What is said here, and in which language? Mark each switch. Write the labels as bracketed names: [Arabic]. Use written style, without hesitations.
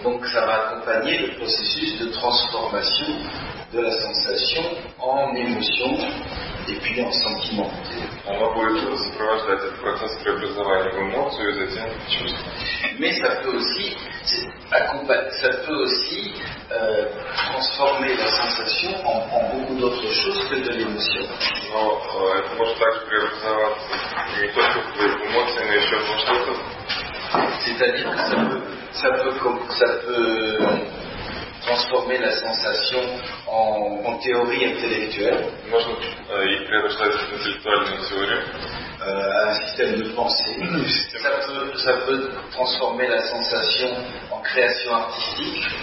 [French] Donc ça va accompagner le processus de transformation de la sensation en émotion et puis en sentiment. [Russian] Она будет сопровождать этот процесс преобразования в эмоцию и затем в чувство. [French] Mais ça peut aussi transformer la sensation en beaucoup d'autres choses que de l'émotion. [Russian] Но это может также преобразоваться не только в эмоции, но еще в что-то. [French] C'est-à-dire que ça peut transformer la sensation en théorie intellectuelle. [Russian] Можно предоставить интеллектуальную теорию. [French] Un système de pensée. Ça peut transformer la sensation en création artistique.